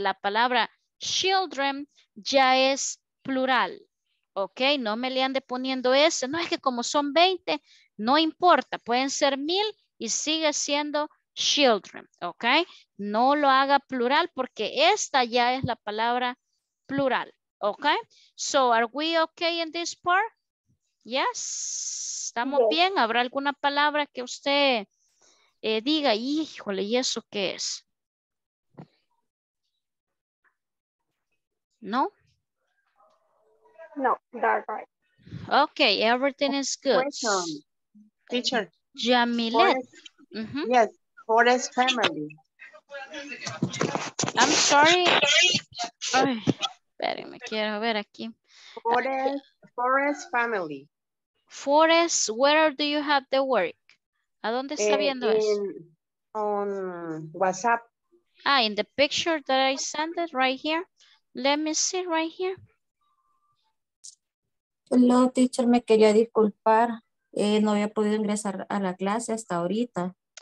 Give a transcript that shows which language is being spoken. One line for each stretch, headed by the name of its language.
Spanish: La palabra children ya es plural, ¿ok? No me le ande poniendo ese. No, es que como son 20, no importa, pueden ser 1000 y sigue siendo children, ¿ok? No lo haga plural porque esta ya es la palabra plural.
English: Okay, so are we okay in this part?
Spanish: Yes, estamos bien. ¿Habrá alguna palabra que usted diga? Híjole, ¿y eso qué es? No?
English: No, that's right. Okay, everything is good. Teacher. Jamilet. Yes, Forest family. I'm sorry.
Spanish: Ay. Espérenme, quiero ver aquí.
English: Forest family. Forest, where do you have the work?
Spanish: ¿A dónde está viendo eso?
English: On WhatsApp. Ah, in the picture that I sent it right here. Let me see right here. Hello, teacher,
Spanish: me quería disculpar. No había podido ingresar a la clase hasta ahorita.